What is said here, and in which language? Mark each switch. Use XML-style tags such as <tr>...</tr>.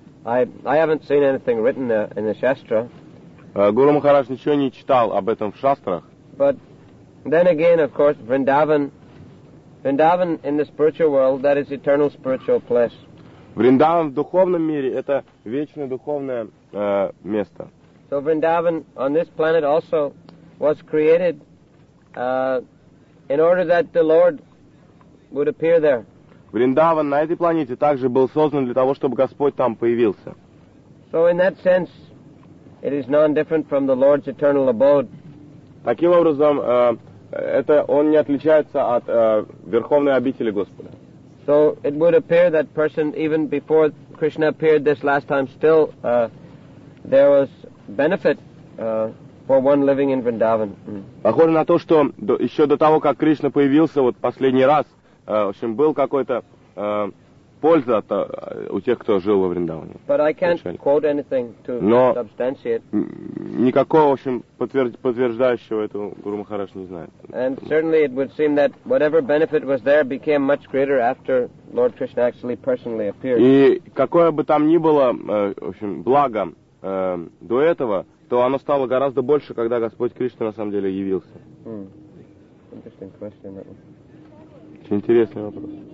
<en>I haven't seen anything written in the Shastra.</en> <ru>Гуру Махарадж ничего не читал об этом в шастрах.</ru> <en>But then again, of course, Vrindavan in the spiritual world, that is eternal spiritual place.</en> <ru>Vrindavan в духовном мире это вечное духовное место.</ru> <en>So Vrindavan on this planet also was created in order that the Lord would appear there.</en> <ru>Вриндаван на этой планете также был создан для того, чтобы Господь там появился.</ru> <en>So in that sense, it is non-different from the Lord's eternal abode.</en> <ru>Таким образом, это он не отличается от верховной обители Господа.</ru> <en>So it would appear that person even before Krishna appeared this last time, still there was benefit for one living in Vrindavan.</en> <ru>Похоже на то, что еще до того, как Кришна появился вот последний раз. В общем, был какой-то польза у тех, кто жил во Вриндаване.</ru> <en>But I can't quote anything to substantiate.</en> <ru>Никакого, в общем, подтверждающего эту Гуру Махарадж не знает.</ru> <en>And certainly it would seem that whatever benefit was there became much greater after Lord Krishna actually personally appeared.</en> <ru>И какое бы там ни было, в общем, благо до этого, то оно стало гораздо больше, когда Господь Кришна на самом деле явился.</ru> <en>Interesting question that one.</en> <ru>Очень интересный вопрос.</ru>